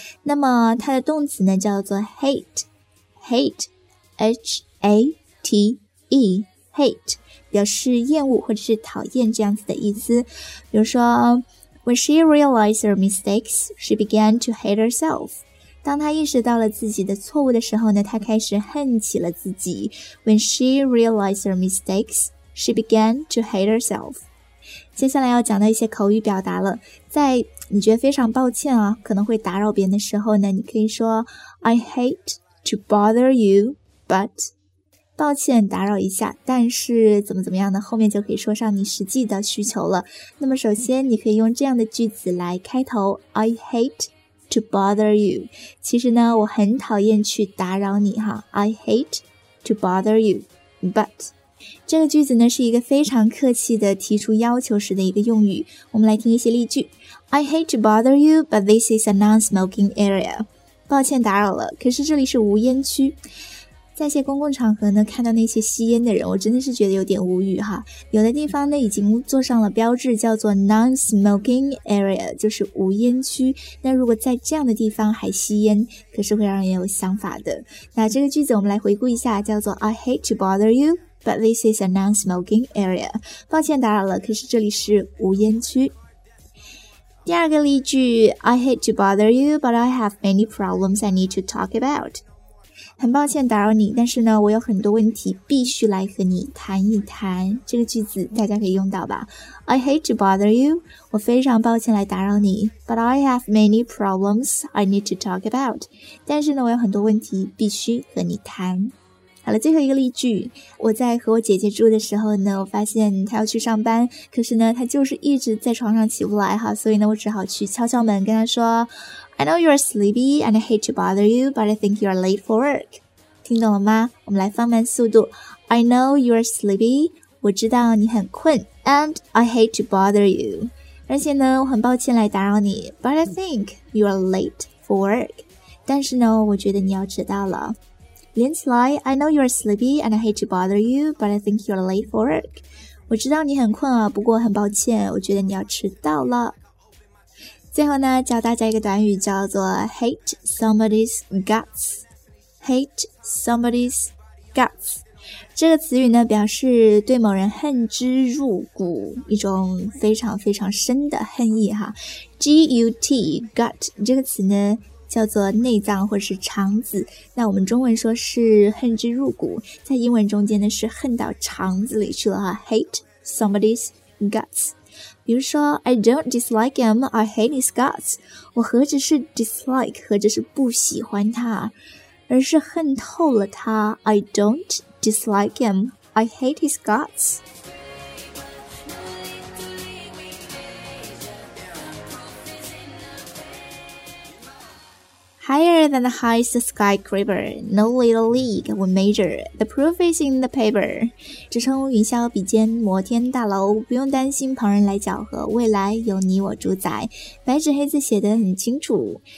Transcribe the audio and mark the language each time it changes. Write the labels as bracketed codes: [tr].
[zh] 那么它的动词呢叫做 hate，H-A-T-E，hate， 表示厌恶或者是讨厌这样子的意思。比如说 [en] ，When she realized her mistakes, she began to hate herself。 [zh] 当他意识到了自己的错误的时候呢，他开始恨起了自己。 [en] When she realized her mistakes, she began to hate herself. [zh] 接下来要讲到一些口语表达了，在你觉得非常抱歉啊，可能会打扰别人的时候呢，你可以说 [en] I hate to bother you, but [zh] 抱歉打扰一下，但是怎么怎么样呢，后面就可以说上你实际的需求了。那么首先你可以用这样的句子来开头 [en] I hateto bother you， [zh] 其实呢我很讨厌去打扰你哈， [en] I hate to bother you but， [zh] 这个句子呢是一个非常客气的提出要求时的一个用语。我们来听一些例句。 [en] I hate to bother you, but this is a non-smoking area. [zh] 抱歉打扰了，可是这里是无烟区。在一些公共场合呢，看到那些吸烟的人，我真的是觉得有点无语哈。有的地方呢已经做上了标志，叫做 non-smoking area， 就是无烟区。那如果在这样的地方还吸烟，可是会让人有想法的。那这个句子我们来回顾一下，叫做 [en] I hate to bother you, but this is a non-smoking area. [zh] 抱歉打扰了，可是这里是无烟区。 [en] 第二个例句， I hate to bother you, but I have many problems I need to talk about. [zh] 很抱歉打扰你，但是呢我有很多问题必须来和你谈一谈。这个句子大家可以用到吧。 [en] I hate to bother you， [zh] 我非常抱歉来打扰你， [en] But I have many problems I need to talk about， [zh] 但是呢我有很多问题必须和你谈。好了，最后一个例句，我在和我姐姐住的时候呢，我发现她要去上班，可是呢她就是一直在床上起不来哈，所以呢我只好去敲敲门跟她说， [en] I know you're sleepy and I hate to bother you, but I think you're late for work. [zh] 听懂了吗？我们来放慢速度。 [en] I know you're sleepy, [zh] 我知道你很困 [en] and I hate to bother you. [zh] 而且呢，我很抱歉来打扰你 [en] but I think you're late for work. [zh] 但是呢，我觉得你要迟到了。连起来 [en] I know you're sleepy and I hate to bother you, but I think you're late for work. [zh] 我知道你很困啊，不过很抱歉，我觉得你要迟到了。最后呢教大家一个短语，叫做 [en] hate somebody's guts， [zh] hate somebody's guts。这个词语呢表示对某人恨之入骨，一种非常非常深的恨意哈。 GUT gut 这个词呢叫做内脏或是肠子，那我们中文说是恨之入骨，在英文中间呢是恨到肠子里去了哈。 [en] hate somebody's guts， [zh] 比如说 [en] I don't dislike him, I hate his guts. [zh] 我何止是 dislike, 何止是不喜欢他，而是恨透了他。 [en] I don't dislike him, I hate his guts. Higher than the highest skyscraper, no little league will measure, the proof is in the paper. [zh] 直冲云霄比肩摩天大楼，不用担心旁人来搅和，未来由你我主宰，白纸黑字写得很清楚。